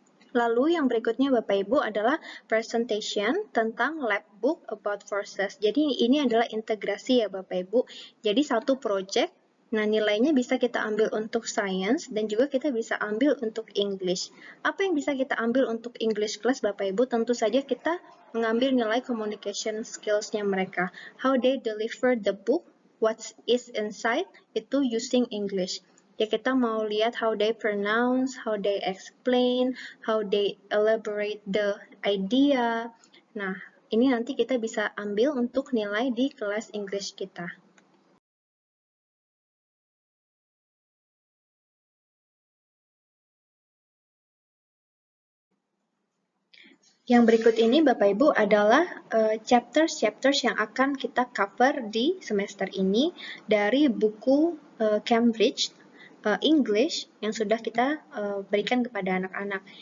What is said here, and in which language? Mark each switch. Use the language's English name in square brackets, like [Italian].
[Indonesian] Lalu yang berikutnya Bapak Ibu adalah presentation tentang [English] lab book about forces. [Indonesian] Jadi ini adalah integrasi ya Bapak Ibu. Jadi satu project, nah nilainya bisa kita ambil untuk science dan juga kita bisa ambil untuk English. Apa yang bisa kita ambil untuk English class Bapak Ibu? Tentu saja kita mengambil nilai communication skills-nya mereka. [English] How they deliver the book, what is inside, itu using English. [Indonesian] Ya, kita mau lihat [English] how they pronounce, how they explain, how they elaborate the idea. [Indonesian] Nah, ini nanti kita bisa ambil untuk nilai di kelas English kita. Yang berikut ini, Bapak-Ibu, adalah chapter-chapter yang akan kita cover di semester ini dari buku Cambridge English yang sudah kita berikan kepada anak-anak.